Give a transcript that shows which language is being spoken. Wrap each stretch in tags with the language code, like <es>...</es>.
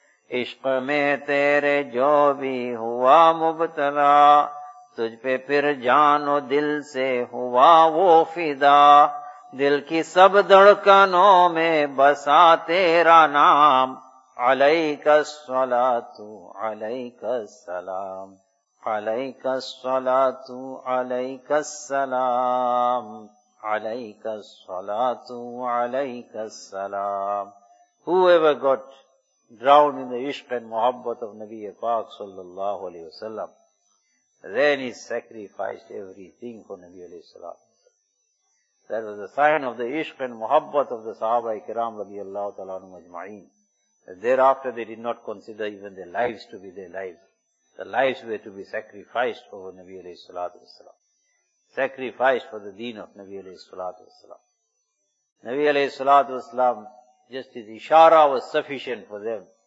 <ur>عشق میں تیرے جو بھی ہوا مبتلا تجھ پہ پھر جان و دل سے ہوا وہ فدا دل کی سب دھڑکنوں میں بسا تیرا نام</ur> <ar>علیک الصلاۃ علیک السلام</ar> <ur>علیک الصلاۃ علیک السلام علیک الصلاۃ علیک السلام.</ur> <en>Whoever got drowned in the عشق and محبت of نبی پاک صلی اللہ علیہ وسلم, then he sacrificed everything for نبی علیہ السلام. That was a sign of the عشق and محبت of the صحابہ کرام رضی اللہ تعالیٰ عنہ اجمعین. Thereafter they did not consider even their lives to be their lives. The lives were to be sacrificed over Nabi alayhi salatu wasalam. Sacrificed for the deen of Nabi alayhi salatu wasalam. Nabi alayhi salatu wasalam, just his ishara was sufficient for them.</en>